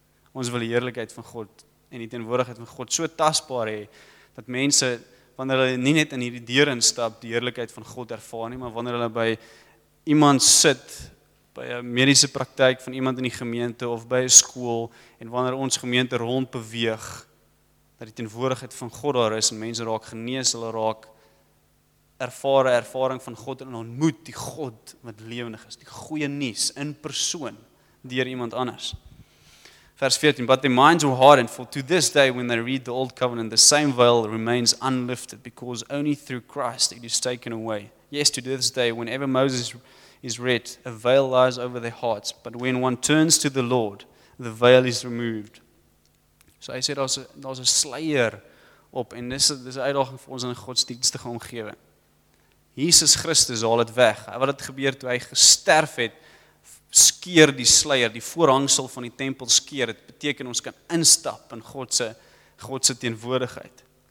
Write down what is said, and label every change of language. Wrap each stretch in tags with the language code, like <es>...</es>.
<af>Ons wil die heerlikheid van God en die teenwoordigheid van God so tastbaar hê dat mense wanneer hulle nie net in hierdie deur instap, die heerlikheid van God ervaar nie, maar wanneer hulle by iemand sit, by 'n mediese praktyk van iemand in die gemeente of by 'n skool en wanneer ons gemeente rond beweeg dat die teenwoordigheid van God daar is en mense raak genees, hulle raak ervaar 'n ervaring van God en ontmoet die God wat lewendig is, die goeie nuus in persoon deur iemand anders.</af> <en>Vers 14, but their minds were hardened, for to this day when they read the old covenant, the same veil remains unlifted, because only through Christ it is taken away. Yes, to this day, whenever Moses is read, a veil lies over their hearts, but when one turns to the Lord, the veil is removed.</en> <af>So hy sê, daar's 'n sluier op, en dis 'n uitdaging vir ons in 'n godsdienstige omgewing. Jesus Christus haal dit weg. Wat het gebeur toe hy gesterf het, skeer die sluier, die voorhangsel van die tempel skeer, dit beteken ons kan instap in God se teenwoordigheid.</af>